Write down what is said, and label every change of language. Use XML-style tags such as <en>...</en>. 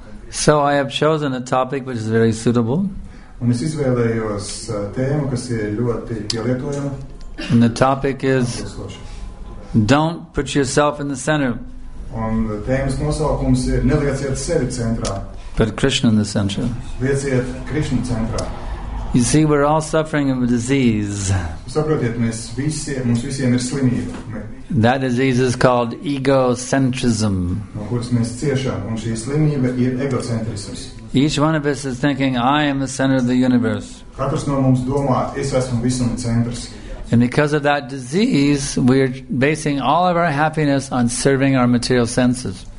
<en>so I have chosen a topic which is very suitable. And the topic is Don't Put Yourself in the Center.</en> <lv>Un tēmas nosaukums ir nelieciet sevi centrā.</lv> <en>Put Krishna in the center.</en> <lv>Lieciet Krishna centrā.</lv> <en>You see, we're all suffering of a disease.</en> <lv>Saprotiet, mums visiem ir slimība.</lv> <en>That disease is called egocentrism.</en> <lv>No kuras mēs ciešam, un šī slimība ir egocentrisms.</lv> <en>Each one of us is thinking, I am the center of the universe.</en> <lv>Katrs no mums domā, es esmu visuma centrs.</lv> <en>And because of that disease, we are basing all of our happiness on serving our material senses.</en>